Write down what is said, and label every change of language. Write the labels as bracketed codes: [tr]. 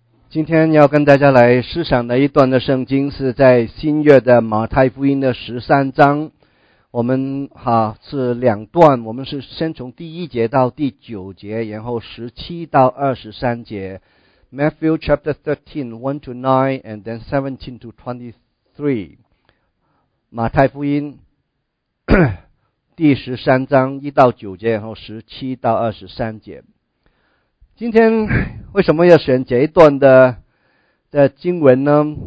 [zh] 今天要跟大家来思想的一段的圣经是在新约的马太福音的十三章。我们是两段，我们是先从第一节到第九节，然后十七到二十三节。 [en] Matthew chapter 13, 1 to 9, and then 17 to 23. [zh] 马太福音第十三章一到九节，然后十七到二十三节。今天为什么要选这一段的经文呢？